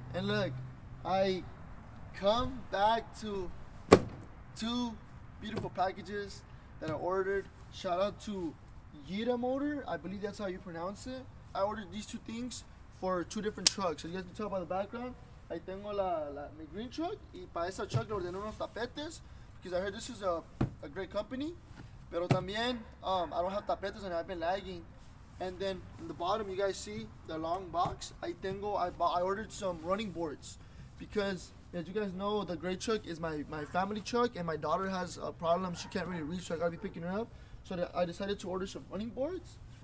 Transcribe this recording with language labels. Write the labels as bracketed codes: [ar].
[en] And look, I come back to two beautiful packages that I ordered. Shout out to Yitamotor. I believe that's how you pronounce it. I ordered these two things for two different trucks. So you guys can tell by the background. I [es] tengo [en] my green truck. [es] Y para esa truck, le ordené unos tapetes. [en] Because I heard this is a great company. [es] Pero también, [en] I don't have tapetes and I've been lagging. And then in the bottom, you guys see the long box. I ordered some running boards. Because, as you guys know, the gray truck is my family truck. And my daughter has a problem. She can't really reach, so I got to be picking her up. So I decided to order some running boards.